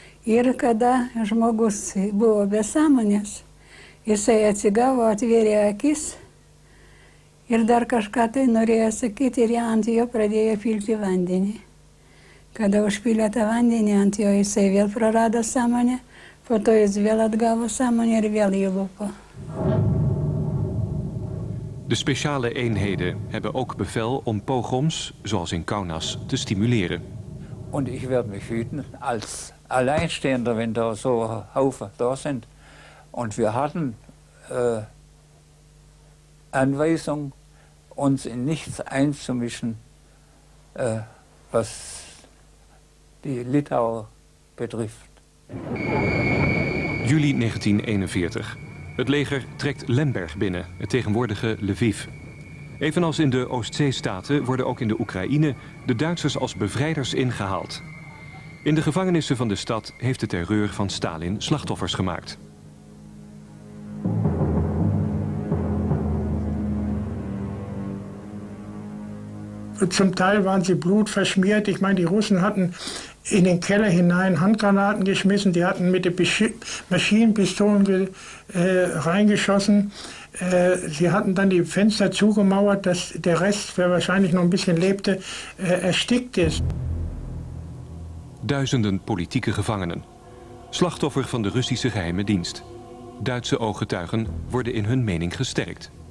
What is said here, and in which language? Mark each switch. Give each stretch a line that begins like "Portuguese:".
Lithuanian: Ir kada žmogus buvo be sąmonės, jisai atsigavo, atvėrė akis ir dar kažką tai norėjo sakyti ir ant jo pradėjo pilti vandenį. Kada užpylė tą vandenį, ant jo jisai vėl prarado sąmonę. Po to jis vėl atgavo sąmonę ir vėl įlupo.
Dutch: De speciale eenheden hebben ook bevel om pogroms, zoals in Kaunas, te stimuleren.
German: Und ich werde mich hüten als Alleinstehender, wenn da so Haufen da sind. Und wir hatten Anweisung, uns in nichts einzumischen, was die Litauer betrifft.
Dutch: Juli 1941. Het leger trekt Lemberg binnen, het tegenwoordige Lviv. Evenals in de Oostzeestaten worden ook in de Oekraïne de Duitsers als bevrijders ingehaald. In de gevangenissen van de stad heeft de terreur van Stalin slachtoffers gemaakt.
German: Zum Teil waren sie blutverschmiert. Ich meine, die Russen hatten in den Keller hinein Handgranaten geschmissen. Die hatten mit den Maschinenpistolen reingeschossen. Sie hatten dann die Fenster zugemauert, dass der Rest, wer wahrscheinlich noch ein bisschen lebte, erstickt ist.
Dutch: Duizenden politieke Gevangenen. Slachtoffer van de Russische geheime dienst. Duitse ooggetuigen worden in hun mening gesterkt.